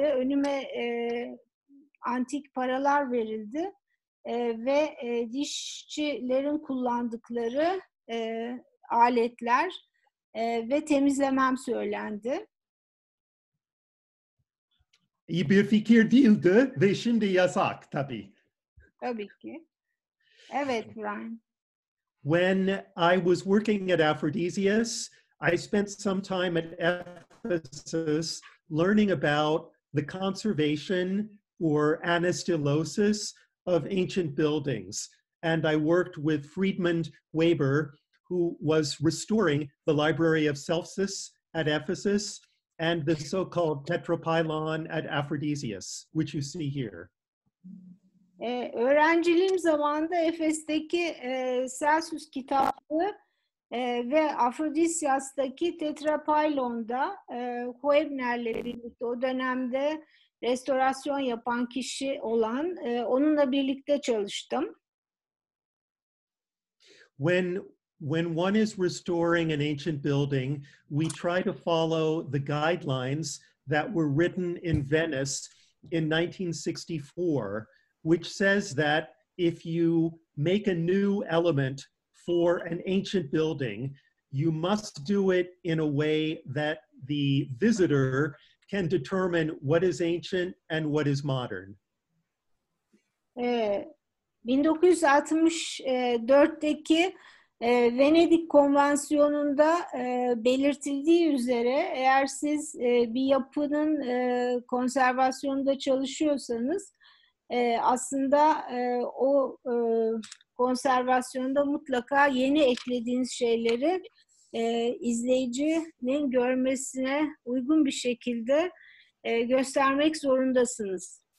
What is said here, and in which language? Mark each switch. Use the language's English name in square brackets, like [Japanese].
[Turkish] Önüme antik paralar verildi ve dişçilerin kullandıkları aletler ve temizlemem söylendi. İyi bir fikir değildi ve şimdi yasak tabii. Tabii ki. Evet, Brian. [English] When I was working at Aphrodisias, I spent some time at Ephesus learning about the conservation or anastylosis of ancient buildings. And I worked with Friedmund Weber, who was restoring the Library of Celsus at Ephesus and the so-called Tetrapylon at Aphrodisias, which you see here. [Turkish] Öğrenciliğim zamanında Efes'teki Celsus kitabı ve Aphrodisias'taki Tetrapylon'da Huebner'le birlikte o dönemde restorasyon yapan kişi olan onunla birlikte çalıştım. [English] When one is restoring an ancient building, we try to follow the guidelines that were written in Venice in 1964, which says that if you make a new element for an ancient building, you must do it in a way that the visitor can determine what is ancient and what is modern. [Turkish] 1964'teki Venedik Konvansiyonu'nda belirtildiği üzere eğer siz bir yapının konservasyonunda çalışıyorsanız aslında o konservasyonda mutlaka yeni eklediğiniz şeyleri izleyicinin görmesine uygun bir şekilde göstermek zorundasınız.